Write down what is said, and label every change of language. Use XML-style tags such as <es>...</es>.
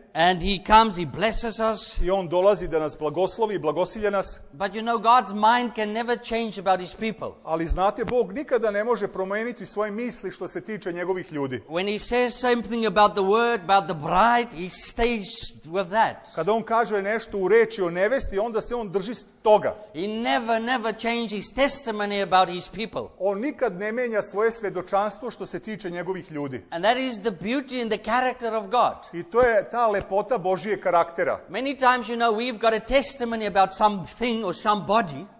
<en>And he comes, he blesses us.</en> <sr>I on dolazi da nas blagoslovi i blagosilje nas.</sr> <en>But you know, God's mind can never change about his people.</en> <sr>Ali znate, Bog nikada ne može promijeniti svoje misli što se tiče njegovih ljudi.</sr> <en>When he says something about the word, about the bride, he stays with that.</en> <sr>Kada on kaže nešto u reči o nevesti, onda se on drži toga.</sr> <en>He never changes his testimony about his people.</en> <sr>On nikad ne mijenja svoje svjedočanstvo što se tiče njegovih ljudi.</sr> <en>And that is the beauty and the character of God.</en> <sr>I to je ta lepota Božijeg karaktera.</sr> <en>Many times, you know, we've got a testimony about something or somebody.</en>